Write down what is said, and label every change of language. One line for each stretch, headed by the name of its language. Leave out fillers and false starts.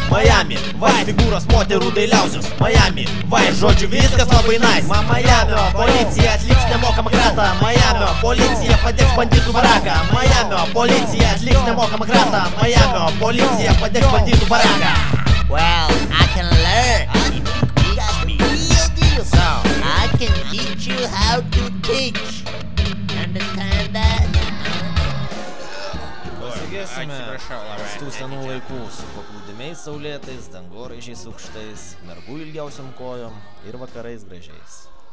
Lithuanian: Majami, vais, figūros moterų dailiausios. Majami, vais, žodžiu viskas labai nice. Majamio policija atliks nemokamą kratą. Majamio policija padės bandytų baraką. Majamio policija atliks nemokamą kratą. Majamio policija padės bandytų baraką.
English: Well, I can learn. If you teach me real deal, so I can teach you how to teach. Understand that?
Lithuanian: Pasigėsime iš tų senų laikų su paplūdimiais saulėtais, dangoraižiais aukštais, mergų ilgiausiam kojom ir vakarais gražiais.